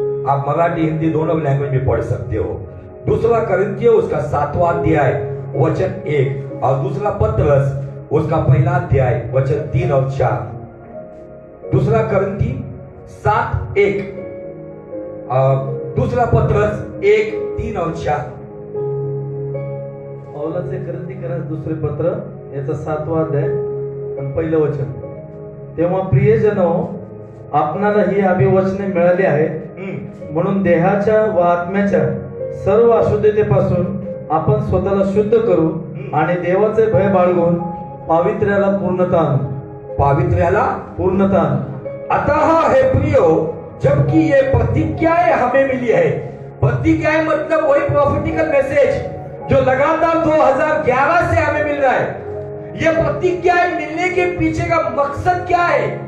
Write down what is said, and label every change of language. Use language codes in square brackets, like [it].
[hi] आप मराठी हिंदी दोनों लैंग्वेज में पढ़ सकते हो। दूसरा करिंथियों उसका सातवां अध्याय वचन एक, और दूसरा पत्रस उसका पहला अध्याय वचन तीन और चार। दूसरा करिंथी 7:1, दूसरा पत्रस 1:3-4। [mr] पौलाचे करिंथी करा दुसरे पत्र याचा सातवा अध्याय आणि पहिलं वचन, तेव्हा प्रियजनो आपणाला ही अभिवचने मिळाली आहेत, म्हणून देहाच्या व आत्म्याच्या सर्व अशुद्धतेपासून आपण स्वतःला शुद्ध करू आणि देवाचे भय बाळगून पावित्र्याला पूर्णता आणू। पावित्र्याला पूर्णता। [hi] अतः हे प्रियो, जबकि ये प्रतिज्ञाएं हमें मिली है, प्रतिज्ञाएं मतलब वही प्रोफेटिकल मैसेज जो लगातार 2011 से हमें मिल रहा है। ये प्रतिज्ञाएं मिलने के पीछे का मकसद क्या है?